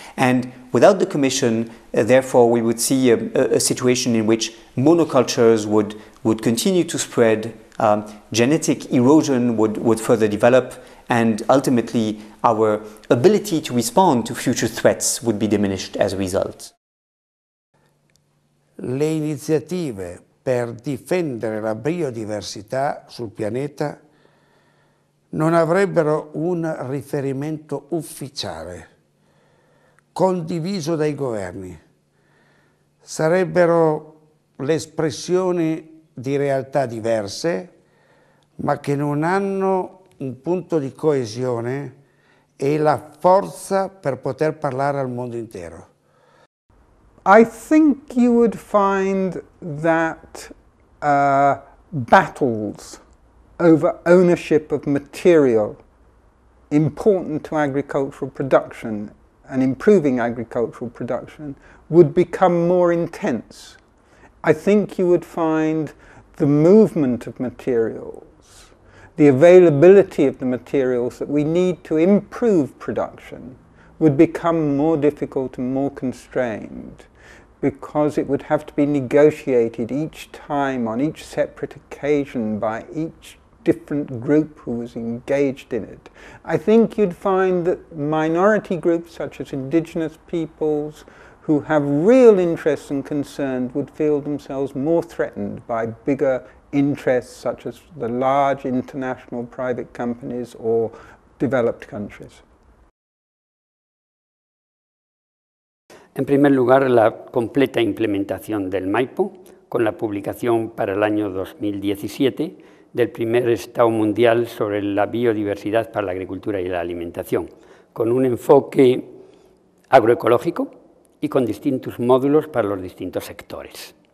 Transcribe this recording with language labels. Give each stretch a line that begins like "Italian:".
English: And without the Commission, therefore, we would see a situation in which monocultures would continue to spread, genetic erosion would further develop, and ultimately our ability to respond to future threats would be diminished as a result.
Italian: Le iniziative per difendere la biodiversità sul pianeta non avrebbero un riferimento ufficiale, condiviso dai governi. Sarebbero l'espressione di realtà diverse, ma che non hanno un punto di coesione e la forza per poter parlare al mondo intero.
English: I think you would find that battles over ownership of material important to agricultural production and improving agricultural production would become more intense. I think you would find the movement of materials, the availability of the materials that we need to improve production, would become more difficult and more constrained, because it would have to be negotiated each time on each separate occasion by each different group who was engaged in it. I think you'd find that minority groups such as indigenous peoples who have real interests and concerns would feel themselves more threatened by bigger interests such as the large international private companies or developed countries?
Spanish: En primer lugar, la completa implementación del MAIPO, con la publicación para el año 2017 del primer Estado Mundial sobre la biodiversidad para la agricultura y la alimentación, con un enfoque agroecológico y con distintos módulos para los distintos sectores.